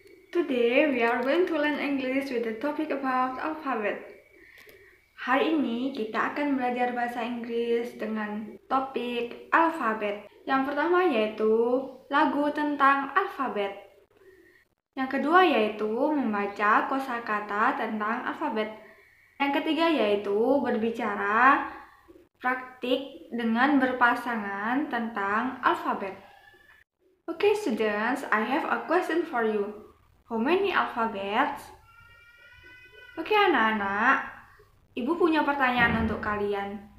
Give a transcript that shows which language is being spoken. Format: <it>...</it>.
<en>Today we are going to learn English with the topic about alphabet.</en> <id>Hari ini kita akan belajar bahasa Inggris dengan topik alphabet. Yang pertama yaitu lagu tentang alphabet. Yang kedua yaitu membaca kosakata tentang alphabet. Yang ketiga yaitu berbicara praktik dengan berpasangan tentang alphabet.</id> <en>Okay students, I have a question for you. How many alphabets?</en> <id>Okay anak-anak, ibu punya pertanyaan untuk kalian.</id>